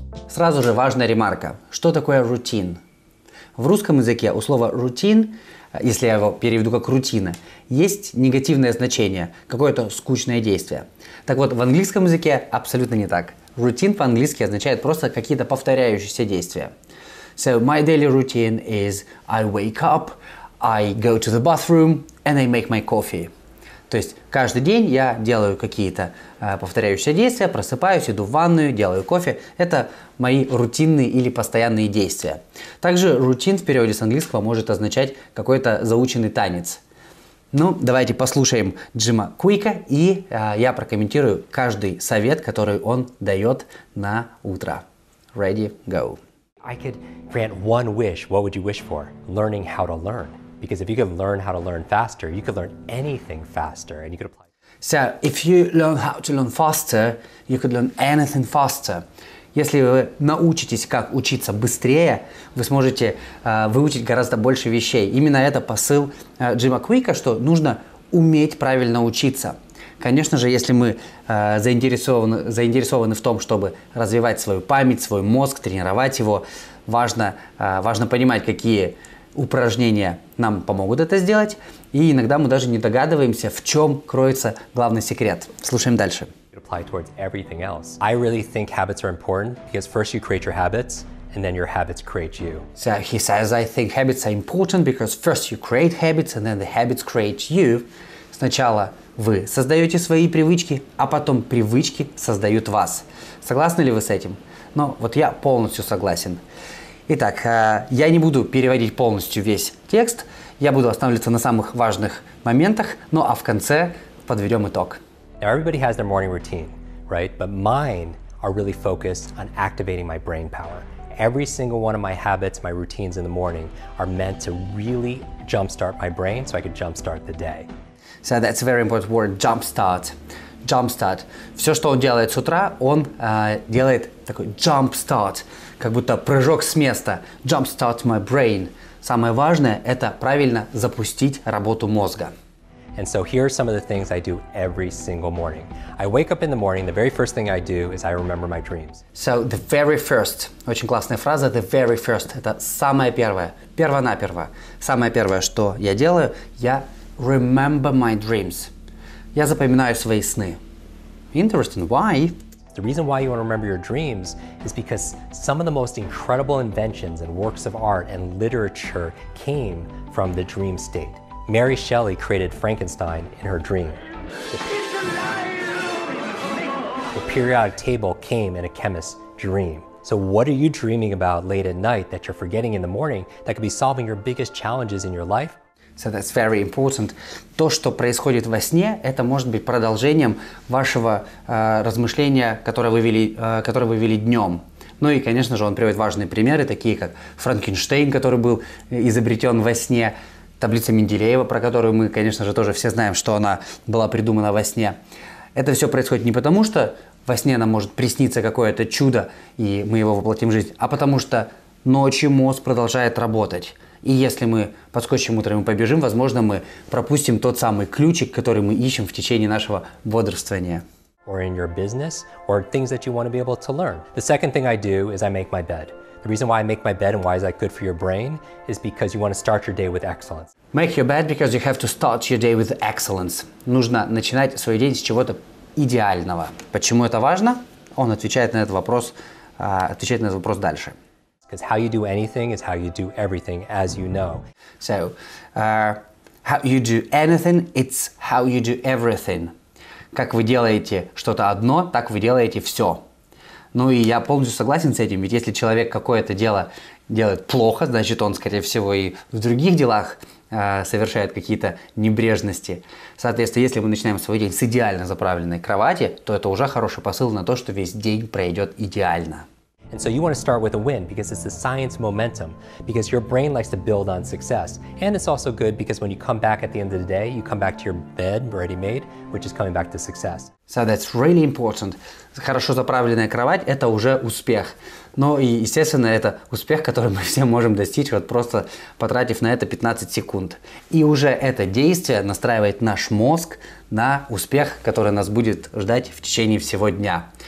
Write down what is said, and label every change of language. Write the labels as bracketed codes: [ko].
[ru] Сразу же важная ремарка. Что такое рутин? В русском языке у слова рутин, если я его переведу как рутина, есть негативное значение, какое-то скучное действие. Так вот, в английском языке абсолютно не так. Рутин по-английски означает просто какие-то повторяющиеся действия. [en] So, my daily routine is I wake up, I go to the bathroom, and I make my coffee. [ru] То есть каждый день я делаю какие-то повторяющиеся действия, просыпаюсь, иду в ванную, делаю кофе. Это мои рутинные или постоянные действия. Также рутин в переводе с английского может означать какой-то заученный танец. Ну, давайте послушаем Джима Куика, и я прокомментирую каждый совет, который он дает на утро. [en] Ready, go. I could grant one wish. What would you wish for? Learning how to learn. Because if you can learn how to learn faster, you could learn anything faster, and you could apply. So, if you learn how to learn faster, you could learn anything faster. [ru] Если вы научитесь, как учиться быстрее, вы сможете выучить гораздо больше вещей. Именно это посыл Джима Куика, что нужно уметь правильно учиться. Конечно же, если мы заинтересованы в том, чтобы развивать свою память, свой мозг, тренировать его, важно понимать, какие упражнения нам помогут это сделать, и иногда мы даже не догадываемся, в чем кроется главный секрет. Слушаем дальше. [en] Apply towards everything else. I really think habits are important because first you create your habits, and then your habits create you. So he says, I think habits are important because first you create habits, and then the habits create you. [ru] Сначала вы создаете свои привычки, а потом привычки создают вас. Согласны ли вы с этим? Ну, вот я полностью согласен. Итак, я не буду переводить полностью весь текст, я буду останавливаться на самых важных моментах, ну а в конце подведем итог. [en] Now everybody has their morning routine, right? But mine are really focused on activating my brain power. Every single one of my habits, my routines in the morning are meant to really jumpstart my brain so I could jumpstart the day. So that's a very important word, jumpstart. Jumpstart. [ru] Все, что он делает с утра, он делает такой jumpstart, как будто прыжок с места. [en] Jumpstart my brain. [ru] Самое важное – это правильно запустить работу мозга. [en] And so here are some of the things I do every single morning. I wake up in the morning, the very first thing I do is I remember my dreams. So the very first. [ru] Очень классная фраза, [en] the very first. [ru] Это самое первое, первонаперво. Самое первое, что я делаю, я [en] remember my dreams. [ru] Я запоминаю свои сны. [en] Interesting, why? The reason why you want to remember your dreams is because some of the most incredible inventions and works of art and literature came from the dream state. Mary Shelley created Frankenstein in her dream. The periodic table came in a chemist's dream. So what are you dreaming about late at night that you're forgetting in the morning that could be solving your biggest challenges in your life? So that's very important. [ru] То, что происходит во сне, это может быть продолжением вашего размышления, которое вы вели днем. Ну и, конечно же, он приводит важные примеры, такие как Франкенштейн, который был изобретен во сне, таблица Менделеева, про которую мы, конечно же, тоже все знаем, что она была придумана во сне. Это все происходит не потому, что во сне нам может присниться какое-то чудо, и мы его воплотим в жизнь, а потому что ночью мозг продолжает работать. И если мы подскочим утром и побежим, возможно, мы пропустим тот самый ключик, который мы ищем в течение нашего бодрствования. [en] or in your business, or things that you want to be able to learn. The second thing I do is I make my bed. The reason why I make my bed and why is that good for your brain is because you want to start your day with excellence. Make your bed because you have to start your day with excellence. [ru] Нужно начинать свой день с чего-то идеального. Почему это важно? Он отвечает на этот вопрос дальше. [en] Because how you do anything is how you do everything, as you know. So, how you do anything, it's how you do everything. [ru] Как вы делаете что-то одно, так вы делаете все. Ну и я полностью согласен с этим, ведь если человек какое-то дело делает плохо, значит он, скорее всего, и в других делах совершает какие-то небрежности. Соответственно, если мы начинаем свой день с идеально заправленной кровати, то это уже хороший посыл на то, что весь день пройдет идеально. [en] And so you want to start with a win because it's the science momentum, because your brain likes to build on success. And it's also good because when you come back at the end of the day, you come back to your bed ready made, which is coming back to success. So that's really important. [ru] Хорошо заправленная кровать – это уже успех. Ну и, естественно, это успех, который мы все можем достичь, вот просто потратив на это 15 секунд. И уже это действие настраивает наш мозг на успех, который нас будет ждать в течение всего дня.